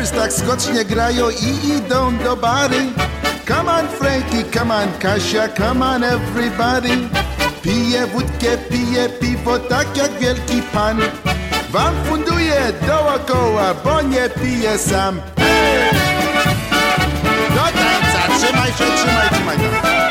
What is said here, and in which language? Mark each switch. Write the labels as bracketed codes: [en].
[pl] Skocznie grają i idą do bary. [en] Come on Frankie, come on Kasia, come on everybody. [pl] Piję wódkę, piję piwo tak jak wielki pan. Wam funduję dookoła, bo nie piję sam. Do tańca, trzymaj się, trzymaj, trzymaj.